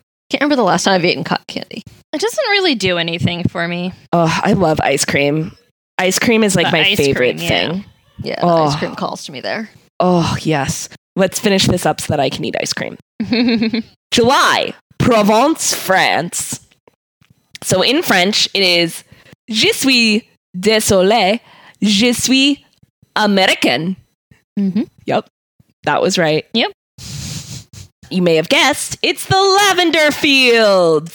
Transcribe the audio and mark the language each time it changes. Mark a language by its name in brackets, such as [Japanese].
[English] Can't remember the last time I've eaten cotton candy. It doesn't really do anything for me. Oh, I love ice cream. Ice cream is like my favorite thing. Yeah, ice cream calls to me there. Oh, yes. Let's finish this up so that I can eat ice cream. July, Provence, France. So in French, it is [French] Je suis désolé, je suis [English] American. Mm-hmm. Yep, that was right. Yep. You may have guessed, it's the lavender fields.